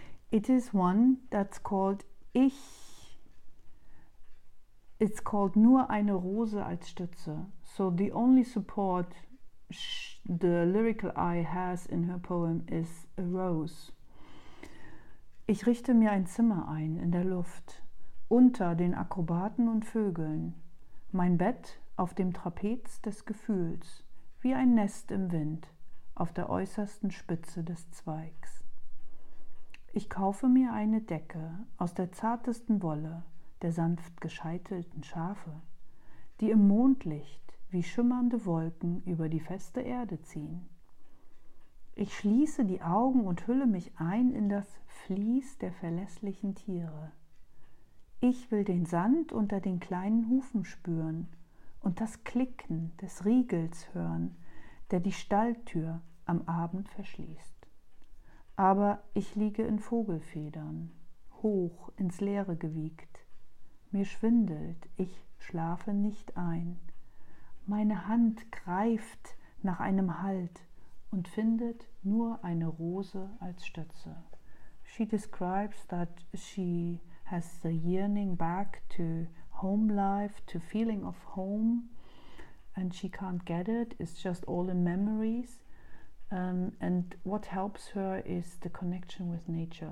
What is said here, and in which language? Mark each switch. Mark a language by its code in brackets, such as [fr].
[en] It is one that's called Ich. It's called [de] Nur eine Rose als Stütze. [en] So the only support the lyrical eye has in her poem is a rose. [de] Ich richte mir ein Zimmer ein in der Luft, unter den Akrobaten und Vögeln. Mein Bett auf dem Trapez des Gefühls, wie ein Nest im Wind, auf der äußersten Spitze des Zweigs. Ich kaufe mir eine Decke aus der zartesten Wolle der sanft gescheitelten Schafe, die im Mondlicht wie schimmernde Wolken über die feste Erde ziehen. Ich schließe die Augen und hülle mich ein in das Vlies der verlässlichen Tiere. Ich will den Sand unter den kleinen Hufen spüren und das Klicken des Riegels hören, der die Stalltür am Abend verschließt. Aber ich liege in Vogelfedern, hoch ins Leere gewiegt. Mir schwindelt, ich schlafe nicht ein. Meine Hand greift nach einem Halt und findet nur eine Rose als Stütze. [en] She describes that she has the yearning back to home life, to feeling of home, and she can't get it. It's just all in memories. And what helps her is the connection with nature.